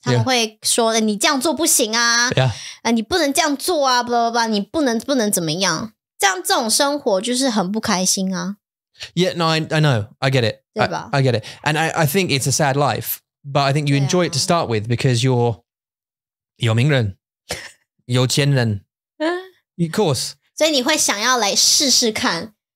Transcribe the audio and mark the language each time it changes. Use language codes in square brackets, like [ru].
[zh] 他们会说，你这样做不行啊。 [en] Yeah. [zh] 你不能这样做啊 blah, blah, blah, 你不能怎么样。这样这种生活就是很不开心啊。 [en] Yeah, no, I know, I get it. [zh] 对吧 [en] I get it. And I think it's a sad life, but I think you enjoy it to start with because you're [zh] 有名人有钱人。 [en] Of course. [zh] 所以你会想要来试试看。